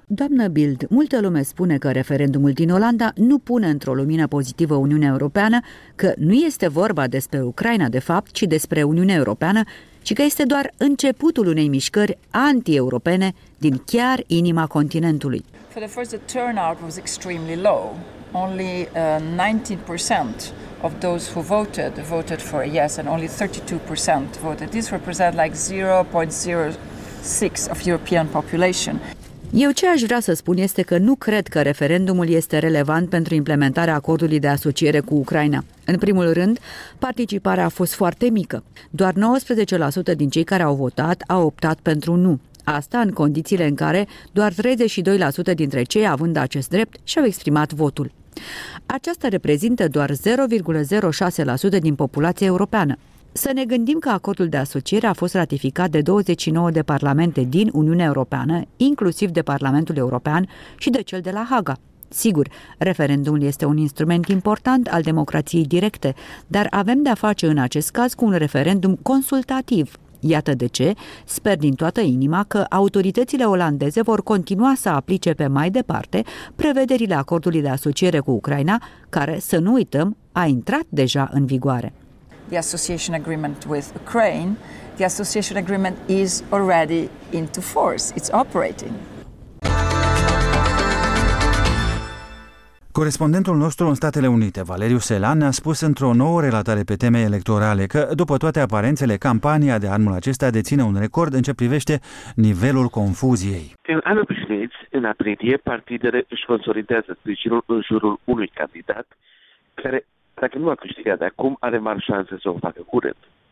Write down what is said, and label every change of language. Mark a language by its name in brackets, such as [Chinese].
[Romanian] Doamnă Bildt, multă lume spune că referendumul din Olanda nu pune într-o lumină pozitivă Uniunea Europeană, că nu este vorba despre Ucraina de fapt, ci despre Uniunea Europeană, ci că este doar începutul unei mișcări anti-europene din chiar inima continentului. [English] For the first, the turnout was extremely low. Only 19% of those who voted voted for a yes and only 32% voted. This represents like 0.06 of European population. [Romanian] Eu ce aș vrea să spun este că nu cred că referendumul este relevant pentru implementarea acordului de asociere cu Ucraina. În primul rând, participarea a fost foarte mică. Doar 19% din cei care au votat au optat pentru nu. Asta în condițiile în care doar 32% dintre cei având acest drept și-au exprimat votul. Aceasta reprezintă doar 0,06% din populația europeană. Să ne gândim că acordul de asociere a fost ratificat de 29 de parlamente din Uniunea Europeană, inclusiv de Parlamentul European și de cel de la Haga. Sigur, referendumul este un instrument important al democrației directe, dar avem de-a face în acest caz cu un referendum consultativ. Iată de ce sper din toată inima că autoritățile olandeze vor continua să aplice pe mai departe prevederile acordului de asociere cu Ucraina, care, să nu uităm, a intrat deja în vigoare. [English] The association agreement with Ukraine, the association agreement is already into force. It's operating. [Romanian] Corespondentul nostru în Statele Unite, Valeriu Selan, ne-a spus într-o nouă relatare pe teme electorale că, după toate aparențele, campania de anul acesta deține un record în ce privește nivelul confuziei. În anul obișnuit, în aprilie, partidele își consolidează sprijinul în jurul unui candidat care, dacă nu a câștigat de acum, are mari șanse să o facă curând.